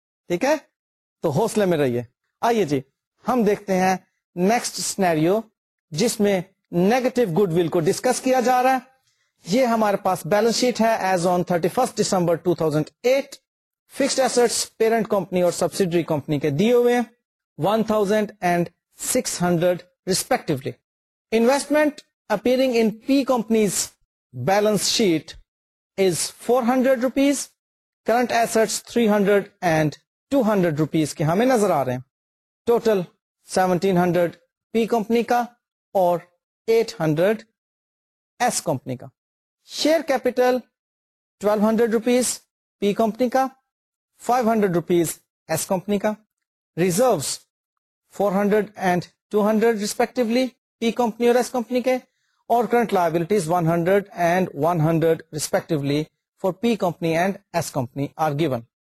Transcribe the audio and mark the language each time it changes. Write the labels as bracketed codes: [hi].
[ur] ٹھیک ہے, تو حوصلے میں رہیے. آئیے جی ہم دیکھتے ہیں نیکسٹ سینیریو جس میں نیگیٹو گڈ ول کو ڈسکس کیا جا رہا ہے. یہ ہمارے پاس بیلنس شیٹ ہے [en] As on 31st December 2008. [ur] Fixed assets parent company اور سبسیڈری کمپنی کے دیے ہوئے 1,600 respectively. [en] Investment appearing in P company's balance sheet is 400 rupees. Current assets 300 and 200 rupees [ur] کے ہمیں نظر آ رہے ہیں. [en] Total 1,700 P company کا اور 800 S company کا. Share capital 1,200 rupees P company کا, [ur] 500 روپیز ایس کمپنی کا, reserves 400 and 200 respectively P company اور ایس کمپنی کے, اور current liabilities 100 and 100 respectively four P company and S company are given.